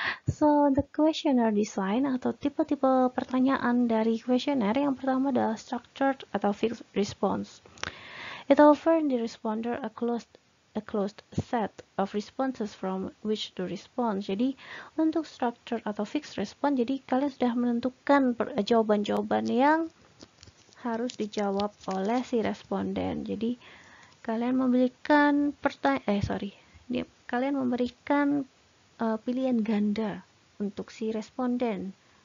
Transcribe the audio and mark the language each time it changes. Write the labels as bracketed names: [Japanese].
[English] So, the questionnaire design [Indonesian] atau tipe-tipe pertanyaan dari kuesioner, yang pertama adalah structured atau fixed response. [English] It offers the responder a closed set of responses from which to respond. [Indonesian] Jadi untuk structure atau fixed response, jadi kalian sudah menentukan jawaban-jawaban yang harus dijawab oleh si responden. Jadi kalian memberikan pilihan ganda untuk si responden.